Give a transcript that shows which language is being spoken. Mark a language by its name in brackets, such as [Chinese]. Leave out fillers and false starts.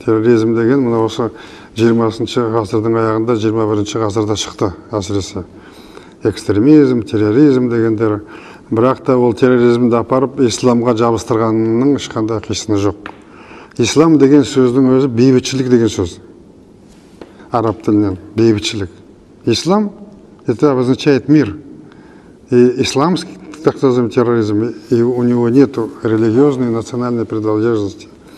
[Kazakh] терроризм деген мына осы 20-шы ғасырдың аяғында 21-шы ғасырда шықты әсіресе. Экстремизм, терроризм дегендер. Бірақ та ол терроризмді апарып исламға жабыстырғанның ешқандай қисыны жоқ. Ислам деген сөздің өзі бейбітшілік деген сөз. Араб тілінен бейбітшілік. [Russian] Ислам это означает мир. И исламский, так называемый терроризм, и у него нет религиозной и национальной принадлежности.